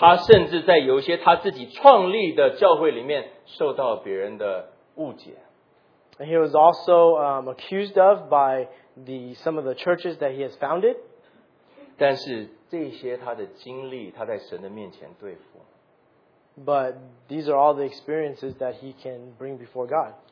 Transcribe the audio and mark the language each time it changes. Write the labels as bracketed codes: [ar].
[zh] 他甚至在有些他自己创立的教会里面受到别人的误解。 [en] And he was also accused of by some of the churches that he has founded. [zh] 但是这些他的经历，他在神的面前对付。 [en] But these are all the experiences that he can bring before God.